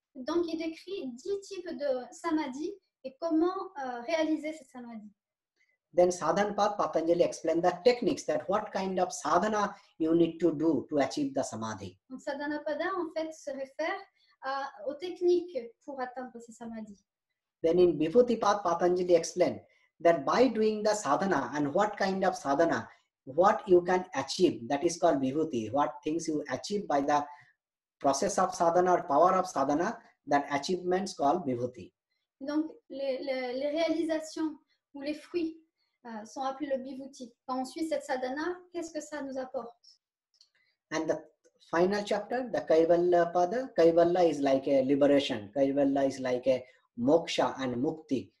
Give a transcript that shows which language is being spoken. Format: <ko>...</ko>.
<fr>Donc il décrit 10 types de samadhi et comment réaliser ces samadhi.</fr> <en>Then sadhanapath, Patanjali explain the techniques that what kind of sadhana you need to do to achieve the samadhi.</en> <fr>Donc sadhanapada en fait se réfère aux techniques pour atteindre ces samadhi.</fr> <en>Then in vibhutipath, Patanjali explain that by doing the sadhana and what kind of sadhana, what you can achieve, that is called vibhuti. What things you achieve by the process of sadhana or power of sadhana, that achievement is called vibhuti.</en> <fr>Donc les réalisations ou les fruits sont appelés le vibhuti. Quand on suit cette sadhana, qu'est-ce que ça nous apporte?</fr> <en>And the final chapter, the Kaivalya Pada, Kaivalya is like a liberation, Kaivalya is like a moksha and mukti.</en>